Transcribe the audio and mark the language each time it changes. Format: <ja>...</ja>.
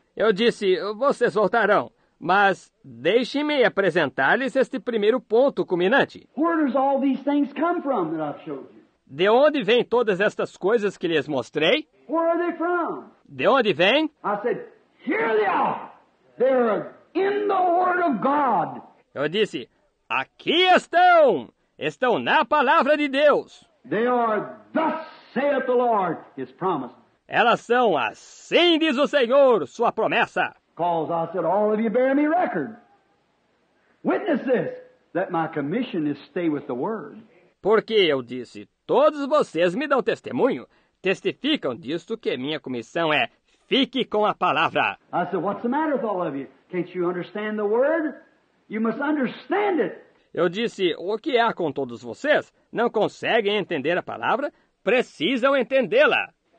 <pt>Eu disse, vocês voltarão, mas deixe-me apresentar-lhes este primeiro ponto culminante.</pt> <en>Where does all these things come from that I've showed you?</en> <pt>De onde vêm todas estas coisas que lhes mostrei?</pt> <en>Where are they from?</en> <pt>De onde vêm?</pt> <en>I said, here they are. They're in the Word of God.</en> <pt>Eu disse, aqui estão. Estão na palavra de Deus.</pt> <en>They are, thus saith the Lord, his promise.</en> <pt>Elas são, assim diz o Senhor, sua promessa.</pt> <en>Because I said, all of you bear me record. Witness this, that my commission is stay with the Word.</en> <pt>Porque eu disse, todos vocês me dão testemunho. Testificam disto que minha comissão é, fique com a palavra.</pt> <en>I said, what's the matter with all of you? Can't you understand the Word? You must understand it.</en> <pt>Eu disse, o que há com todos vocês? Não conseguem entender a palavra? Precisam entendê-la.</pt>